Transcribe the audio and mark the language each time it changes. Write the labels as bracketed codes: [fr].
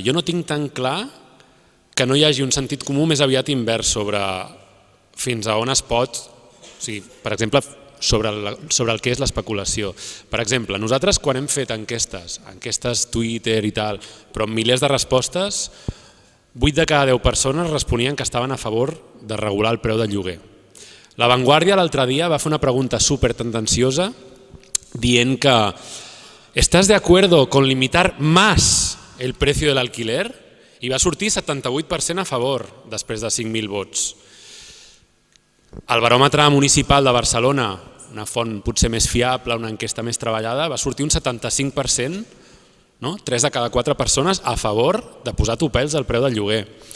[ca] Jo no tinc tan clar que no hi hagi un sentit comú més aviat invers sobre fins a on es pot, o sigui, per exemple, sobre el que és l'especulació. Per exemple, nosaltres quan hem fet enquestes Twitter i tal, però amb milers de respostes, 8 de cada 10 persones responien que estaven a favor de regular el preu del lloguer. La Vanguardia l'altre dia va fer una pregunta super tendenciosa dient que [es] ¿estás de acuerdo con limitar más el precio del alquiler? [ca] I va sortir 78% a favor després de 5.000 vots. El baròmetre municipal de Barcelona, una font potser més fiable, una enquesta més treballada, va sortir un 75%, no? 3 de cada 4 persones a favor de posar topells al preu del lloguer.